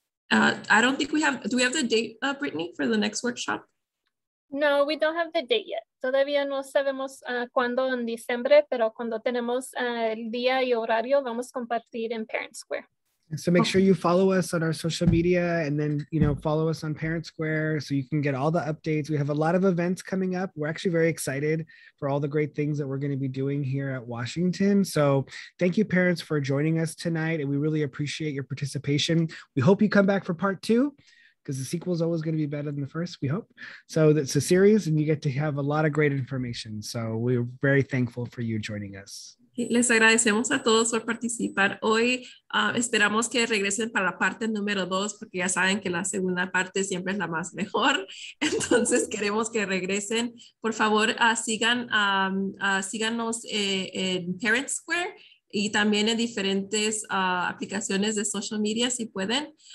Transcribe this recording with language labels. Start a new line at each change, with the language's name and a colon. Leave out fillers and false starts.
English: I don't think we have, do we have the date, Brittany, for the next workshop? No, we don't have the date yet.
Spanish: Todavía no sabemos cuándo en diciembre, pero cuando tenemos el día y horario, vamos a compartir en Parent Square.
English: So make sure you follow us on our social media and then, you know, follow us on Parent Square so you can get all the updates. We have a lot of events coming up. We're actually very excited for all the great things that we're going to be doing here at Washington. So thank you, parents, for joining us tonight. And we really appreciate your participation. We hope you come back for part two, because the sequel is always going to be better than the first, we hope. So that's a series and you get to have a lot of great information. So we're very thankful for you joining us.
Spanish: Les agradecemos a todos por participar hoy. Esperamos que regresen para la parte número dos, porque ya saben que la segunda parte siempre es la más mejor. Entonces queremos que regresen. Por favor, síganos en Parent Square y también en diferentes aplicaciones de social media si pueden.